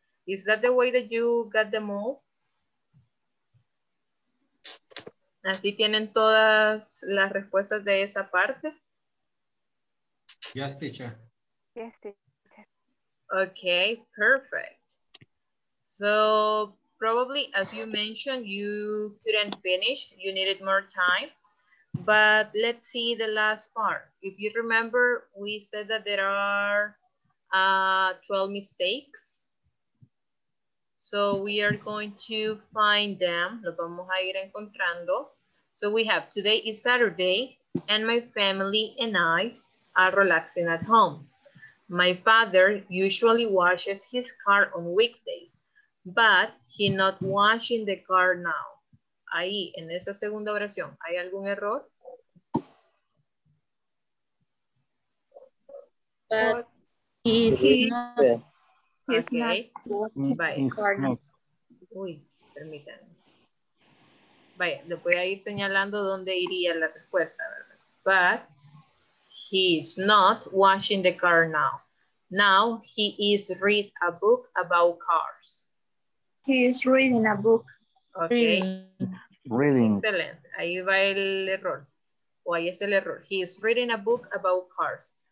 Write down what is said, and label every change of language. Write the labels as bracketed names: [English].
[English] Is that the way that you got them all? [Spanish] ¿Así tienen todas las respuestas de esa parte? [English] Yes, teacher. Yes, teacher. Okay, perfect. So probably, as you mentioned, you couldn't finish. You needed more time. But let's see the last part. If you remember, we said that there are 12 mistakes. So we are going to find them. [Spanish] Lo vamos a ir encontrando. [English] So we have, today is Saturday, and my family and I are relaxing at home. My father usually washes his car on weekdays, but he's not washing the car now. [Spanish] Ahí, en esa segunda oración, ¿hay algún error? [English] But he's okay. Not washing the car now. [Spanish] Uy, permítanme. Vaya, le voy a ir señalando dónde iría la respuesta, ¿verdad? [English] But he's not washing the car now. Now he is read a book about cars. He is reading a book. Okay. Reading. [Spanish] Excellent. Ahí va el error. O ahí es el error. [English] He is reading a book about cars.